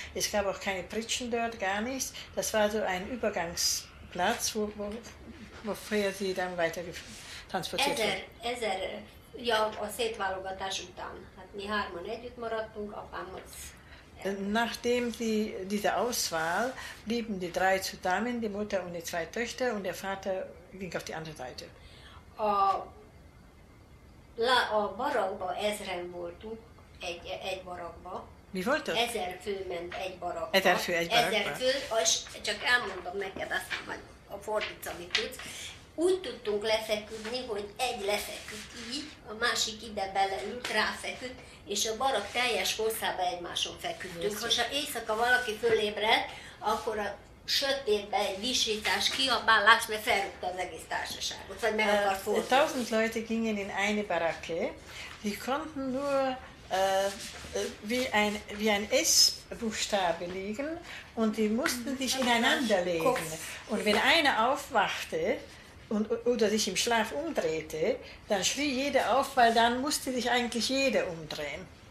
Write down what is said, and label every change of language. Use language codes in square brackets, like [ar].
[de] Es gab auch keine Pritschen dort, gar nichts. Das war so ein Übergangsplatz, wofür sie dann weiter transportiert wurden. [hu] A Szétválogatás után. Hát mi hárman együtt maradtunk, apámhoz. [de] Nachdem diese Auswahl blieben die drei zusammen, die Mutter und die zwei Töchter, und der Vater ging auf die andere Seite. [hu] A barakba ezren voltunk, egy barakba. Mi volt ott? Ezer fő ment egy barakba. Ezer fő egy barakba. Ezer fő, és csak elmondom neked, aztán majd a fordítsz, amit tudsz. Úgy tudtunk lefeküdni, hogy egy lefeküdt így, a másik ide beleült, ráfeküdt, és a barak teljes hosszába egymáson feküdtünk. Ha éjszaka valaki fölébredt, akkor a sötétben egy visítás, kiabálás, mert felrúgta az egész társaságot, vagy meg akar fordulni. [de] 1000 Leute gingen in eine Baracke, die konnten nur wie ein S-Buchstabe liegen, und die mussten sich ineinander legen. Und wenn einer aufwachte, oder sich im Schlaf umdrehte, dann schrie jeder auf, weil dann musste sich eigentlich jeder umdrehen.